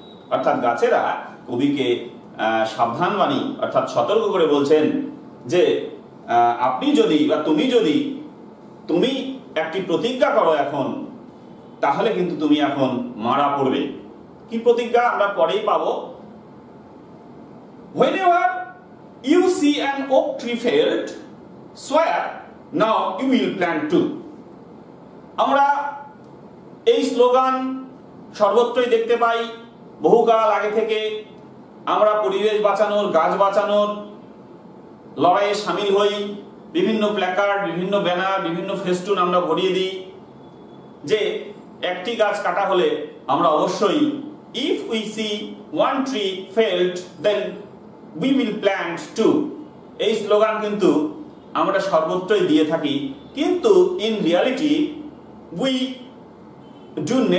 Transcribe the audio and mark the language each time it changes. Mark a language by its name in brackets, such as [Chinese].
[Bangla] অর্থাৎ গাছেরা কবিকে সাবধানবাণী অর্থাৎ সতর্ক করে বলছেন যে আপনি যদি বা তুমি যদি তুমি একটি প্রতিজ্ঞা করো এখন, তাহলে কিন্তু তুমি এখন মারা পড়বে। কি প্রতিজ্ঞা আমরা পরেই পাব। [English] Whenever you see an oak tree felled, swear now you will plant too. [Bangla] আমরা এই স্লোগান সর্বত্রই দেখতে পাই বহুকাল আগে থেকে। আমরা পরিবেশ বাঁচানোর, গাছ বাঁচানোর লড়াইয়ে সামিল হই, বিভিন্ন প্ল্যাকার্ড, বিভিন্ন ব্যানার, বিভিন্ন ফেস্টুন আমরা ভরিয়ে দিই যে একটি গাছ কাটা হলে আমরা অবশ্যই, [English] if we see one tree felled then we will plant two, [Bangla] এই স্লোগান কিন্তু আমরা সর্বত্রই দিয়ে থাকি, কিন্তু [English] in reality we do